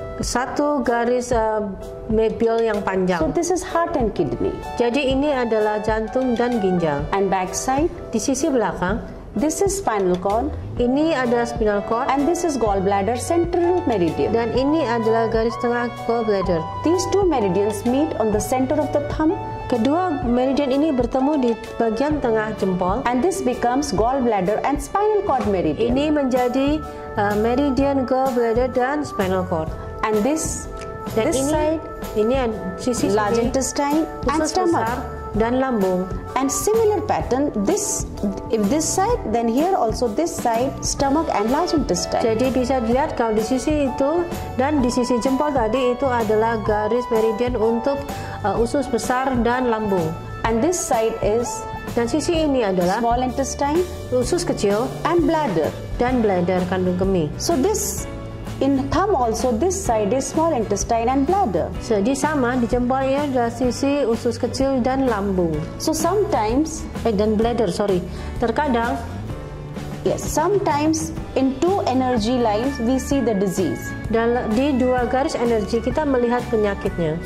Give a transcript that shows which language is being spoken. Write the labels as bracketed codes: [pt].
[id] Satu garis bial yang panjang. [en] So this is heart and kidney. [id] Jadi ini adalah jantung dan ginjal. [en] And back side, [id] di sisi belakang, [en] this is spinal cord. [id] Ini adalah spinal cord. [en] And this is gallbladder central meridian. [id] Dan ini adalah garis tengah gallbladder. [en] These two meridians meet on the center of the thumb. [id] Kedua meridian ini bertemu di bagian tengah jempol. [en] And this becomes gallbladder and spinal cord meridian. [id] Ini menjadi meridian gallbladder dan spinal cord. [en] And this, [id] dan [en] this side, [id] ini sisi [en] large intestine and stomach. [id] Dan lambung. [en] And similar pattern, this, if this side, then here also this side, stomach and large intestine. [id] Jadi bisa dilihat kalau di sisi itu dan di sisi jempol tadi itu adalah garis meridian untuk usus besar dan lambung. [en] And this side is, [id] dan sisi ini adalah [en] small intestine, [id] usus kecil, [en] and bladder, [id] dan bladder, kandung kemih. [en] So this in thumb also this side is small intestine and bladder. [id] Jadi sama di jempolnya ada sisi usus kecil dan lambung. [en] So sometimes [id] dan bladder, [en] sorry. [id] Terkadang [en] yes, sometimes in two energy lines we see the disease. [id] Di dua garis energi kita melihat penyakitnya.